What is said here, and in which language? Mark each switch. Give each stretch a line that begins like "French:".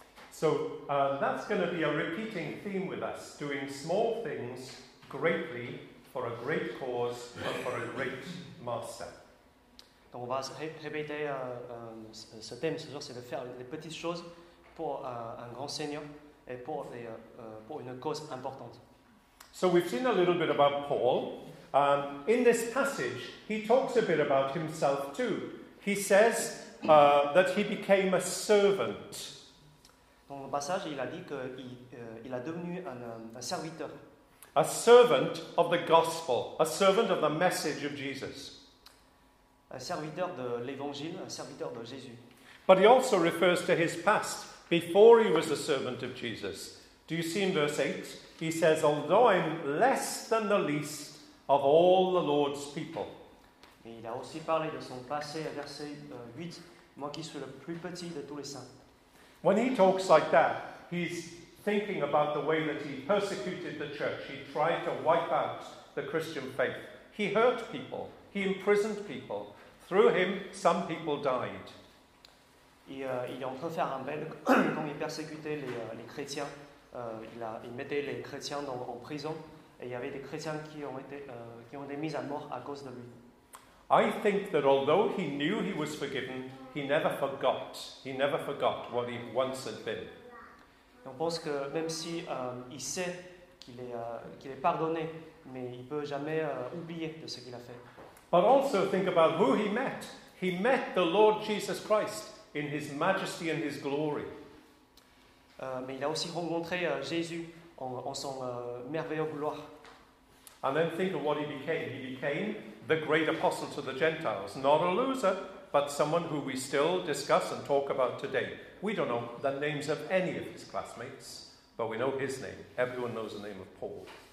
English: So that's going to be a repeating theme with us, doing small things greatly for a great cause and for a great master.
French: Donc on va répéter ce thème ce jour, c'est de faire des petites choses pour un grand Seigneur et pour, pour une cause importante.
English: So we've seen a little bit about Paul. In this passage, he talks a bit about himself too. He says that he became a servant.
French: Dans le passage, il a dit qu'il a devenu un serviteur.
English: A servant of the gospel, a servant of the message of Jesus.
French: Un serviteur de l'évangile, un serviteur de Jésus.
English: But he also refers to his past, before he was a servant of Jesus. Do you see in verse 8? He says, although I'm less than the least of all the Lord's people.
French: Et il a aussi parlé de son passé, verset 8, moi qui suis le plus petit de tous les saints.
English: When he talks like that, he's thinking about the way that he persecuted the church. He tried to wipe out the Christian faith. He hurt people. He imprisoned people. Through him, some people died.
French: Il est en train de faire un bel quand il persécutait les chrétiens. Il mettait les chrétiens en prison et il y avait des chrétiens qui ont été mis à mort à cause de lui.
English: I think that although he knew he was forgiven, he never forgot. He never forgot what he once had been.
French: Et on pense que même si il sait qu'il est pardonné, mais il peut jamais oublier de ce qu'il a fait.
English: But also think about who he met. He met the Lord Jesus Christ in his majesty and his glory.
French: Mais il a aussi rencontré Jésus en son merveilleux gloire.
English: And then think of what he became. He became the great apostle to the Gentiles. Not a loser, but someone who we still discuss and talk about today. We don't know the names of any of his classmates, but we know his name. Everyone knows the name of Paul.